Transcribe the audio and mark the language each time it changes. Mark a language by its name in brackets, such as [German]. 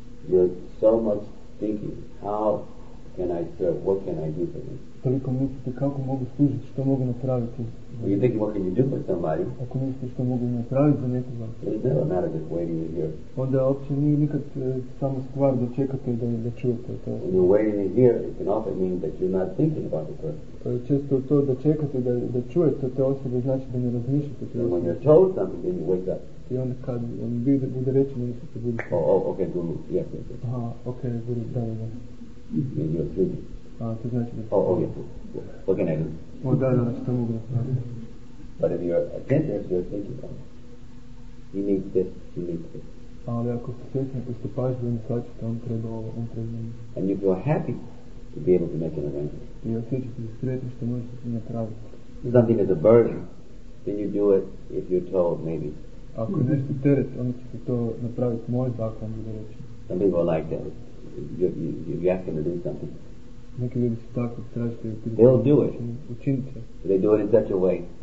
[English] You're so much thinking, how can I serve, what can I do for them? [Croatian] Toliko mislite kako mogu služiti, što mogu napraviti. [English] Well, you're thinking, what can you do for somebody? [Croatian] Ako mislite što mogu napraviti za nekoga. [English] It's never a matter just waiting to hear. [Croatian] Onda uopće nije nikad samo stvar da čekate i da čujete to. [English] When you're waiting to hear, it can often mean that you're not thinking about the person. [Croatian] Često to da čekate da čujete te osobe znači da ne razmišljate. [English] And when you're told something, then you wake up. [Croatian] I onda kad on bude rečeno, mislite da budete. [English] Oh, okay, guru, yes, yes. [Croatian] Aha, okay, guru, da. [English] Mean you're sleeping. [Croatian] To znači da... [English] Oh, okay, cool. What can I do? [Croatian] Oh, da, što mogu da pravi. [English] But if you're attentive, you're thinking about it. He needs this, he needs this. [Croatian] Ali ako ste svjesni, ako ste pažljivi, onda shvaćate, on treba ovo, on treba ovo. [English] And you feel happy to be able to make an arrangement. [Croatian] I osjećate se sretno što možete napraviti. [English] Something is a burden, then you do it if you're told, maybe. [Croatian] Ako je nešto teret, onda ćete to napraviti možda, ako vam bude reći. [English] Some people are like that. You ask them to do something. [Croatian] Neki ljudi su tako tražite [English] they'll do it [Croatian] učinit će [English] they do it in such a way